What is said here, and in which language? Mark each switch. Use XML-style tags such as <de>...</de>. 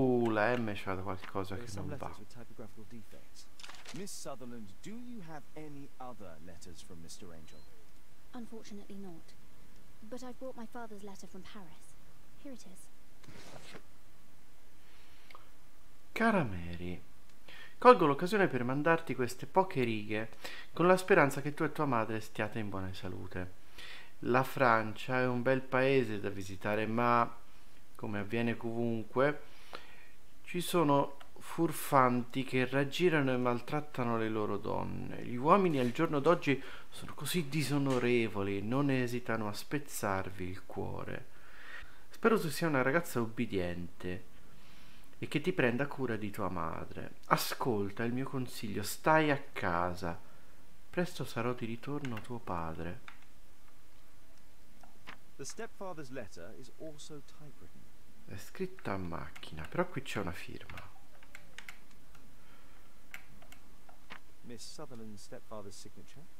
<it>La M c'ha qualcosa che non va.</it> <en>With typographical defects. Miss Sutherland, do you have any other letters from Mr. Angel? Unfortunately not. But I've brought my father's letter from Paris. Here it is.</en> <it>Cara Mary, colgo l'occasione per mandarti queste poche righe con la speranza che tu e tua madre stiate in buona salute. La Francia è un bel paese da visitare, ma come avviene comunque, ci sono furfanti che raggirano e maltrattano le loro donne. Gli uomini al giorno d'oggi sono così disonorevoli, non esitano a spezzarvi il cuore. Spero tu sia una ragazza obbediente e che ti prenda cura di tua madre. Ascolta il mio consiglio, stai a casa. Presto sarò di ritorno tuo padre.</it> <en>The stepfather's letter is also typewritten.</en> <it>È scritta a macchina, però qui c'è una firma.</it> <en>Miss Sutherland's stepfather's signature.</en>